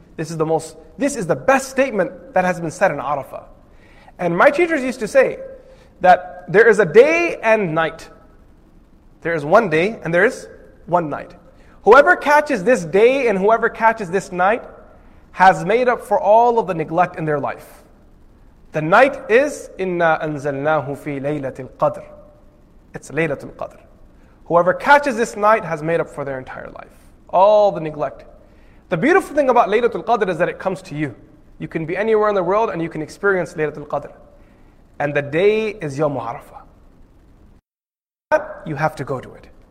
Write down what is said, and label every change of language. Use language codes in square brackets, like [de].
[en] This is the best statement that has been said in Arafah. And my teachers used to say that there is a day and night. There is one day and there is one night. Whoever catches this day and whoever catches this night has made up for all of the neglect in their life. The night is, [ar] إِنَّا أَنزَلْنَاهُ فِي لَيْلَةِ الْقَدْرِ. [en] It's Laylatul Qadr. Whoever catches this night has made up for their entire life. All the neglect. The beautiful thing about Laylatul Qadr is that it comes to you. You can be anywhere in the world and you can experience Laylatul Qadr. And the day is Yawm Arafah. But you have to go to it.